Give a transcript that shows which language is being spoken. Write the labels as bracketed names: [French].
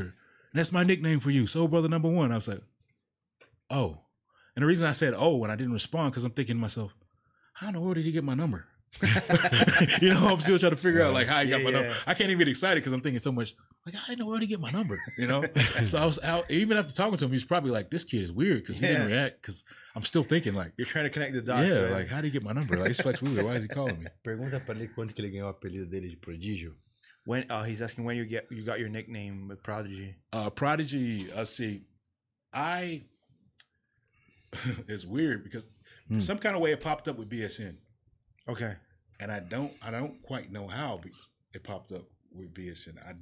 [English] And that's my nickname for you, Soul Brother number one. I was like, oh. And the reason I said, oh, and I didn't respond because I'm thinking to myself, how in the world did he get my number? You know, I'm still trying to figure out like how I got my number. I can't even get excited because I'm thinking so much. Like, I didn't know where to get my number, you know? So I was out, even after talking to him, he's probably like, this kid is weird because he didn't react because I'm still thinking like. You're trying to connect the dots. Yeah, right? Like, how did he get my number? Like, it's flex weird. Why is he calling me? [Portuguese] Pergunta para ele quando que ele ganhou o apelido dele de prodígio. [English] When he's asking when you got your nickname with Prodigy. Prodigy, see, I it's weird because some kind of way it popped up with BSN. Okay. And I don't quite know how it popped up with BSN.